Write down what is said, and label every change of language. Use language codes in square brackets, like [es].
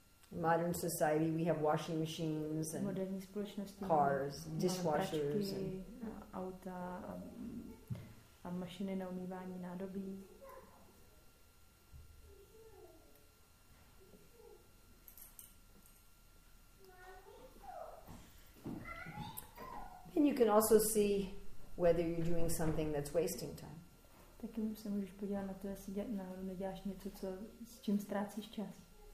[en] In modern society, we have washing machines and [cs] moderní společnosti, [en] cars, dishwashers, [cs] auta a mašiny na umývání nádobí. [en] And you can also see whether you're doing something that's wasting time. [cs] Taky se můžeš podívat na to, jestli neděláš něco, co s čím ztrácíš čas.